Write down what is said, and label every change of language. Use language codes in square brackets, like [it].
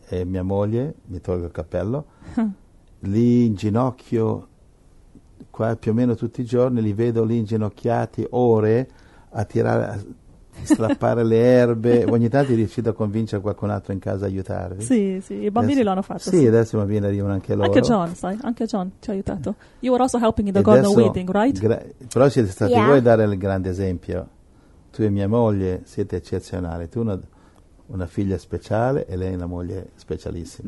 [it] e mia moglie, mi tolgo il cappello, lì in ginocchio, qua più o meno tutti i giorni, li vedo lì inginocchiati ore a tirare, a strappare le erbe. Ogni tanto riuscito a convincere qualcun altro in casa a aiutarvi. Sì, sì, i bambini adesso, lo hanno fatto. Sì, sì, adesso i bambini arrivano anche loro. Anche John, sai, anche John ti ha aiutato. [en] You were also helping in the garden weeding, right? [it] Però siete stati voi a dare il grande esempio. Tu e mia moglie siete eccezionali. Tu una figlia speciale e lei una moglie specialissima.